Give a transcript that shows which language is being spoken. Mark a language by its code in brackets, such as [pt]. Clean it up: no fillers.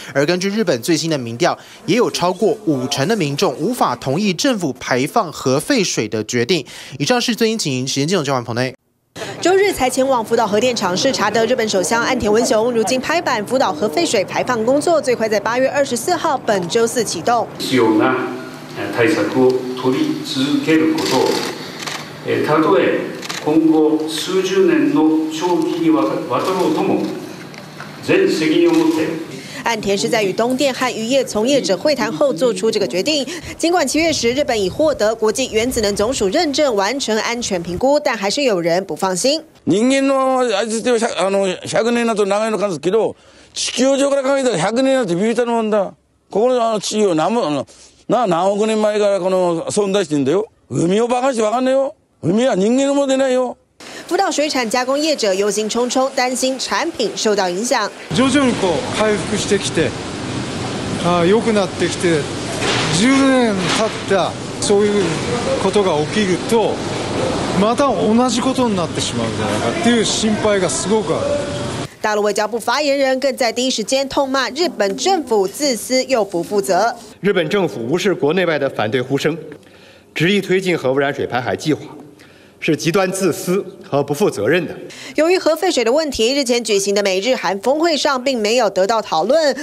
[zh] 而根据日本最新的民调，也有超过50%的民众无法同意政府排放核废水的决定。以上是最新情形，时间进入交换棚内。周日才前往福岛核电厂视察的日本首相岸田文雄，如今拍板福岛核废水排放工作最快在8月24号本周四启动。 [ja] 必要な対策を取り続けること。たとえ今後数十年の長期にわたろうとも、全責任を持って。 [zh] 岸田是在与东电和渔业从业者会谈后做出这个决定。尽管7月时日本已获得国际原子能总署认证完成安全评估，但还是有人不放心。 [ja] 人間の味では100年など長いのかですけど、地球上から考えたら100年なんてビビたるもんだ。ここの地球は何億年前からこの存在してんだよ。海をバカしてわかんねえよ。海は人間のものでないよ。 [zh] 福岛水产加工业者忧心忡忡，担心产品受到影响。 [ja] 徐々にこう回復してきて、良くなってきて、10年経ったそういうことが起きると、また同じことになってしまうんじゃないかっていう心配がすごくある。 [zh] 大陆外交部发言人更在第一时间痛骂日本政府自私又不负责。日本政府无视国内外的反对呼声，执意推进核污染水排海计划。是极端自私和不负责任的。由于核废水的问题，日前举行的美日韩峰会上并没有得到讨论。